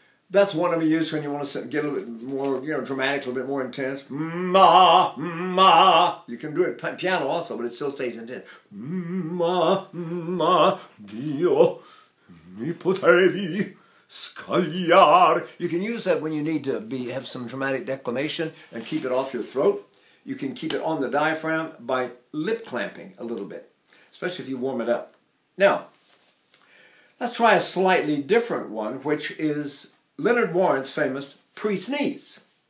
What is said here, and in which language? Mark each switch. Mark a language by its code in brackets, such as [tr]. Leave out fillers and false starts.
[en] That's one of the use when you want to get a little bit more, you know, dramatic, a little bit more intense. [it] Ma, ma. [en] You can do it piano also, but it still stays intense. [it] Ma, ma, Dio, mi potevi scagliare. [en] You can use that when you need to have some dramatic declamation and keep it off your throat. You can keep it on the diaphragm by lip clamping a little bit, especially if you warm it up. Now, let's try a slightly different one, which is Leonard Warren's famous pre-sneeze.